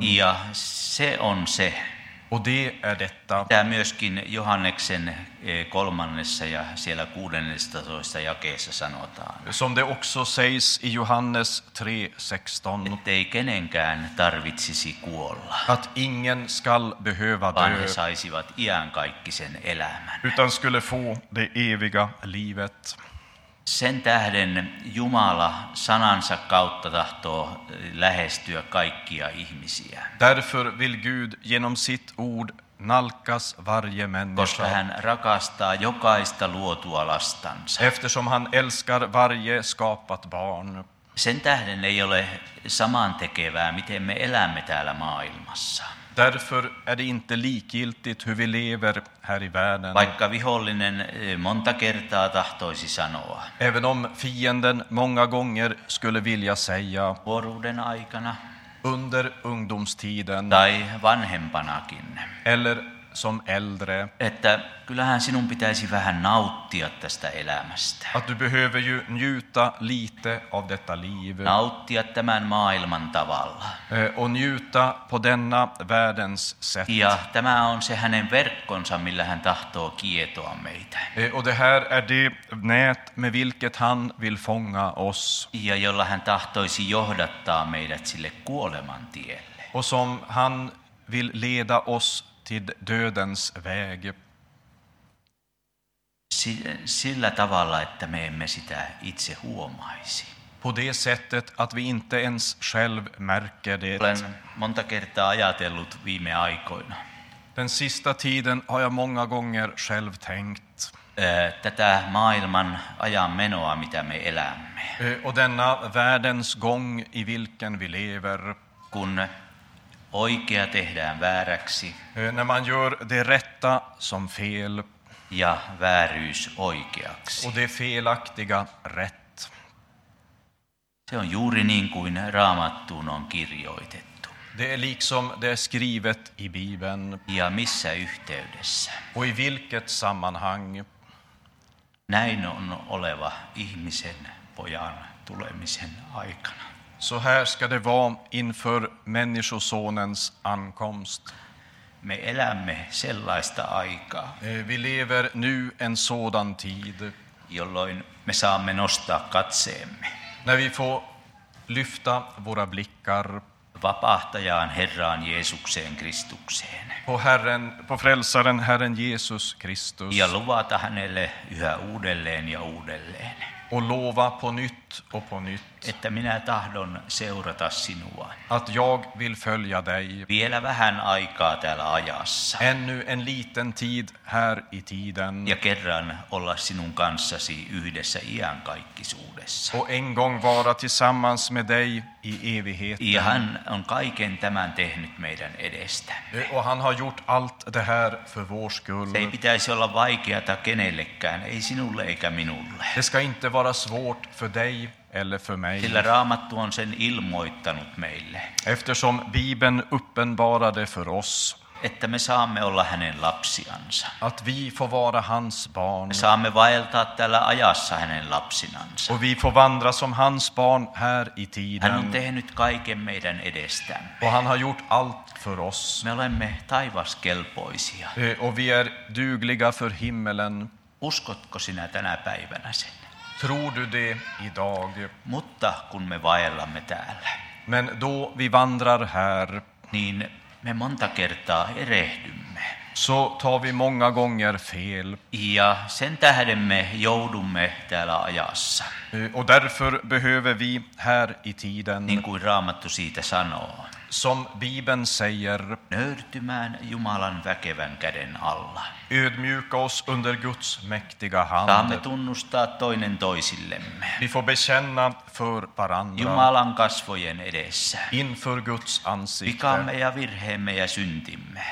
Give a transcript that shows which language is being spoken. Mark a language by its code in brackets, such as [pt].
[fi] Ja se on se. [sv] Och det är detta. [fi] Tämä myöskin Johanneksen kolmannessa ja siellä 16 jakeessa sanotaan. [sv] Som det också sägs i Johannes 3:16. [fi] Att ei kenenkään tarvitsisi kuolla. [sv] Att ingen skall behöva dö. [fi] Vaan he saisivat iänkaikkisen elämän. [sv] Utan skulle få det eviga livet. [fi] Sen tähden Jumala sanansa kautta tahtoo lähestyä kaikkia ihmisiä. [sv] Därför vill Gud genom sitt ord nalkas varje människa. [fi] Koska hän rakastaa jokaista luotua lastansa. [sv] Eftersom han älskar varje skapat barn. [fi] Sen tähden ei ole samantekevää, miten me elämme täällä maailmassa. [sv] Därför är det inte likgiltigt hur vi lever här i världen. [fi] Vaikka vihollinen monta kertaa tahtoisi sanoa. [sv] Även om fienden många gånger skulle vilja säga. [fi] Vuoruuden aikana. [sv] Under ungdomstiden. [fi] Tai vanhempanakin. [sv] Eller som äldre. [fi] Että kyllähän sinun pitäisi vähän nauttia tästä elämästä. [sv] Att du behöver ju njuta lite av detta liv. [fi] Nauttia tämän maailman tavalla. [sv] Och njuta på denna världens sätt. [fi] Ja tämä on se hänen verkkonsa, millä hän tahtoo kietoa meitä. [sv] Och det här är det nät med vilket han vill fånga oss. [fi] Ja jolla hän tahtoisi johdattaa meidät sille kuoleman tielle. [sv] Och som han vill leda oss till dödens väg. [fi] Sillä tavalla, että me emme sitä itse huomaisi. [sv] På det sättet att vi inte ens själv märker det. [fi] Olen monta kertaa ajatellut viime aikoina. [sv] Den sista tiden har jag många gånger själv tänkt. [fi] Tätä maailman ajan menoa, mitä me elämme. [sv] Och denna världens gång i vilken vi lever. [fi] Kun oikea tehdään vääräksi. [sv] När man gör det rätta som fel. [fi] Ja vääryys oikeaksi. [sv] Och det felaktiga rätt. [fi] Se on juuri niin kuin Raamattuun on kirjoitettu. [sv] Det är liksom det är skrivet i Bibeln. [fi] Ja missä yhteydessä. [sv] Och i vilket sammanhang. [fi] Näin on oleva ihmisen pojan tulemisen aikana. [sv] Så här ska det vara inför människosonens ankomst. [fi] Me elämme sellaista aikaa. [sv] Vi lever nu en sådan tid. [fi] Jolloin me saamme nostaa katseemme. [sv] När vi får lyfta våra blickar. [fi] Vapahtajaan Herran Jeesukseen Kristukseen. [sv] På frälsaren Herren Jesus Kristus. [fi] Ja luvata hänelle yhä uudelleen ja uudelleen. [sv] Och lova på nytt och på nytt. [fi] Että minä tahdon seurata sinua. [sv] Att jag vill följa dig. [fi] Vielä vähän aikaa täällä ajassa. [sv] Ännu en liten tid här i tiden. [fi] Ja kerran olla sinun kanssasi yhdessä iankaikkisuudessa. [sv] Och en gång vara tillsammans med dig i evigheten. [fi] Ja hän on kaiken tämän tehnyt meidän edestämme. [sv] Och han har gjort allt det här för vår skull. [fi] Se ei pitäisi olla vaikeata kenellekään, ei sinulle eikä minulle. [sv] Det ska inte vara svårt för dig. Eller för mig. [fi] Sillä Raamattu on sen ilmoittanut meille. [sv] Eftersom Bibeln uppenbarade för oss. [fi] Että me saamme olla hänen lapsiansa. [sv] Att vi får vara hans barn. [fi] Me saamme vaeltaa täällä ajassa hänen lapsinansa. [sv] Och vi får vandra som hans barn här i tiden. [fi] Hän on tehnyt kaiken meidän edestämme. [sv] Och han har gjort allt för oss. [fi] Me olemme taivaskelpoisia. [sv] Och vi är dugliga för himmelen. [fi] Uskotko sinä tänä päivänä sen? [sv] Tror du det idag? [fi] Mutta kun me vaellamme täällä. [sv] Men då vi vandrar här. [fi] Niin me monta kertaa erehdymme. [sv] Så tar vi många gånger fel. [fi] Ja sen tähden me joudumme täällä ajassa. [sv] Och därför behöver vi här i tiden. [fi] Niin kuin Raamattu siitä sanoo. [sv] Som Bibeln säger. [fi] Nöyrtymään Jumalan väkevän käden alla. [sv] Ödmjuka oss under Guds mäktiga hand. [fi] Saamme tunnustaa toinen toisillemme. [sv] Vi får bekänna för varandra. [fi] Jumalan kasvojen edessä. [sv] Inför Guds ansikte. [fi] Vikamme ja virheemme ja syntimme.